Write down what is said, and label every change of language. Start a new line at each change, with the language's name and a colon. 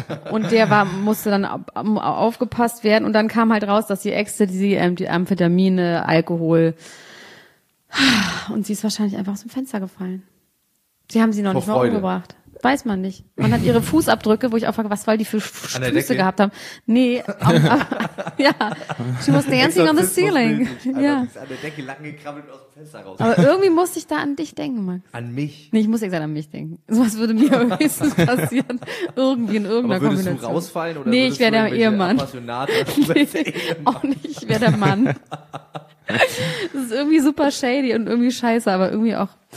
German: Und der war, musste dann aufgepasst werden. Und dann kam halt raus, dass die Ecstasy, die Amphetamine, Alkohol. Und sie ist wahrscheinlich einfach aus dem Fenster gefallen. Sie haben sie noch nicht mal umgebracht. Weiß man nicht. Man hat ihre Fußabdrücke, wo ich auch frage, was weil die für Füße gehabt haben. Nee.
English: She was dancing on the ceiling.
German: Ja. An der Decke lang gekrabbelt aus dem Fenster raus. Aber irgendwie musste ich da an dich denken, Max. An mich? Nee, ich muss ja an mich denken. Sowas würde mir höchstens passieren. Irgendwie in irgendeiner Kombination. Würdest du rausfallen? Oder nee, ich wäre der Ehemann. Auch nicht, ich wäre der Mann. Das ist irgendwie super shady und irgendwie scheiße, aber irgendwie auch...